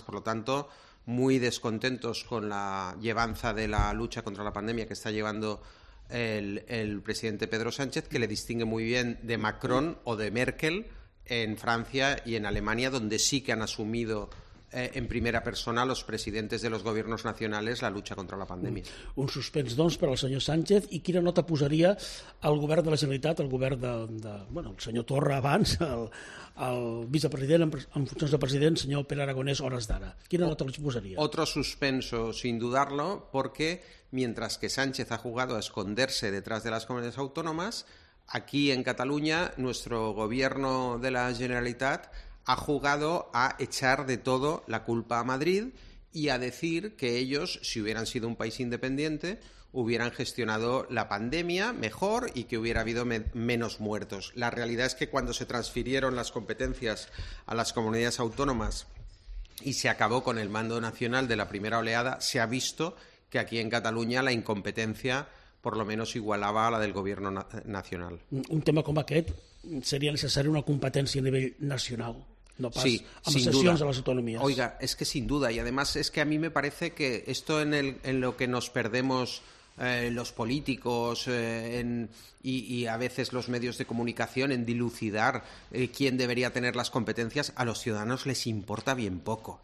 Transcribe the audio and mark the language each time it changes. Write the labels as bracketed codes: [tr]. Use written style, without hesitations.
[es] Por lo tanto, muy descontentos con la llevanza de la lucha contra la pandemia que está llevando el presidente Pedro Sánchez, que le distingue muy bien de Macron o de Merkel en Francia y en Alemania, donde sí que han asumido en primera persona los presidentes de los gobiernos nacionales la lucha contra la pandemia. [ca] Un suspens, doncs, per al senyor Sánchez. I quina nota posaria al govern de la Generalitat, al govern el senyor Torra abans, el vicepresident en funcions de president, senyor Pere Aragonès, hores d'ara? Quina nota li posaria? [es] Otro suspenso, sin dudarlo, porque mientras que Sánchez ha jugado a esconderse detrás de las comunidades autónomas, aquí en Cataluña, nuestro gobierno de la Generalitat ha jugado a echar de todo la culpa a Madrid y a decir que ellos, si hubieran sido un país independiente, hubieran gestionado la pandemia mejor y que hubiera habido menos muertos. La realidad es que cuando se transfirieron las competencias a las comunidades autónomas y se acabó con el mando nacional de la primera oleada, se ha visto que aquí en Cataluña la incompetencia por lo menos igualaba a la del gobierno nacional. [ca] Un tema com aquest, seria necessari una competència a nivell nacional, no pas sí, amb sessions a les autonomies. [es] Oiga, es que sin duda, y además es que a mí me parece que esto en lo que nos perdemos los políticos y a veces los medios de comunicación en dilucidar quién debería tener las competencias, a los ciudadanos les importa bien poco.